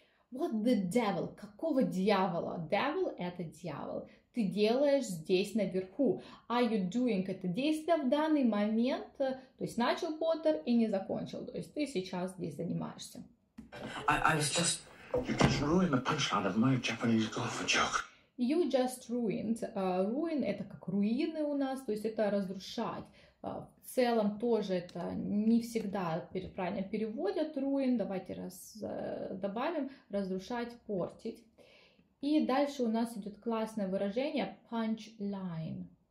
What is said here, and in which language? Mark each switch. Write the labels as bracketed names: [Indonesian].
[English] What the devil? [Russian] Какого дьявола? Devil – это дьявол. Ты делаешь здесь наверху. [English] Are you doing [Russian] это действие в данный момент? То есть начал Поттер и не закончил. То есть ты сейчас здесь занимаешься. [English] I was just You just ruined the punchline of my Japanese golfer joke. You just ruined. [Russian] Ruin – это как руины у нас, то есть это разрушать. В целом тоже это не всегда правильно переводят ruin. Давайте добавим разрушать, портить. И дальше у нас идет классное выражение punchline.